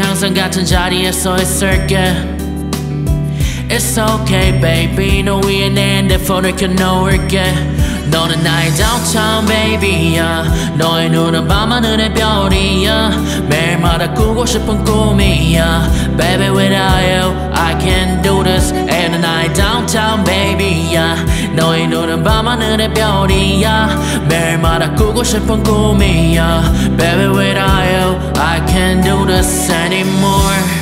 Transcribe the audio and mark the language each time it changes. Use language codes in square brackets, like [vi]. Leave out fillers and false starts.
[ko] 항상 같은 자리에서 있을게. [en] It's okay baby. [ko] 너 위에 내 핸드폰을 켜놓을게. 너는 나의 [en] downtown baby [ko] 야. 너의 눈은 밤하늘의 별이야. 매일마다 꾸고 싶은 꿈이야. [en] Baby without you I can't do this. And the night downtown baby야. [ko] 너의 눈은 밤하늘의 별이야. 매일마다 꾸고 싶은 꿈이야. [en] Baby without you I can't do this anymore.